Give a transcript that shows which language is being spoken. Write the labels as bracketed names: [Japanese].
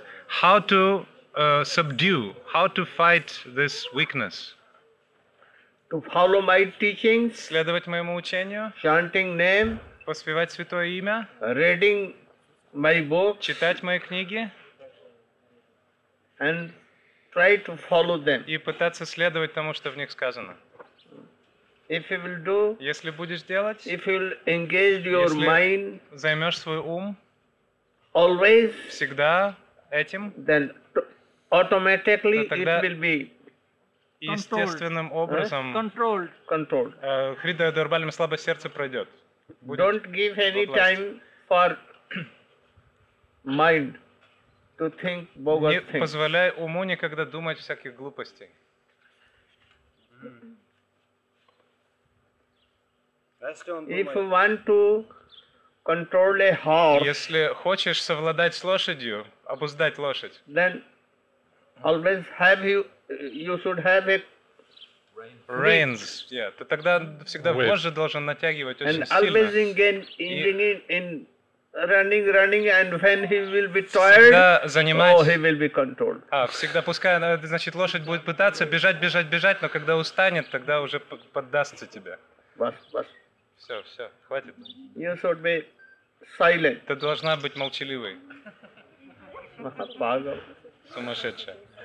[English] How to subdue, how to fight this weakness? To follow my teachings. [Russian] Следовать моему учению. [English] Chanting name. [Russian] Поспевать святое имя. [English] Reading my book. [Russian] Читать мои книги. [English] And try to follow them. [Russian] И пытаться следовать тому, что в них сказано. [English] If you will do, [Russian] если будешь делать, [English] if you will engage your [Russian] если [English] mind, [Russian] займешь свой ум, [English] always, [Russian] всегда этим, [English] then automatically [Russian] тогда [English] it will be [Russian] естественным образом [English] controlled. [Russian] Hrdaya Durbalyam, слабое сердце пройдет. Будет. [English] Don't give any time for mind to think bogus things. [Russian] Не позволяй уму никогда думать всяких глупостей. [English] If you want to control a horse, [Russian] если хочешь совладать с лошадью, обуздать лошадь, [English] then always have you should have a Rains. Yeah. [Russian] Ты тогда всегда позже должен натягивать очень сильно. [English] And always in running, and when he will be tired, he will be controlled. [Russian] А, всегда пускай, значит, лошадь будет пытаться бежать, но когда устанет, тогда уже поддастся тебе. [Hindi] Бас. [Russian] Все, хватит. [English] You should be silent. [Russian] Ты должна быть молчаливой. [Hindi] Пагал. [Russian] Сумасшедшая.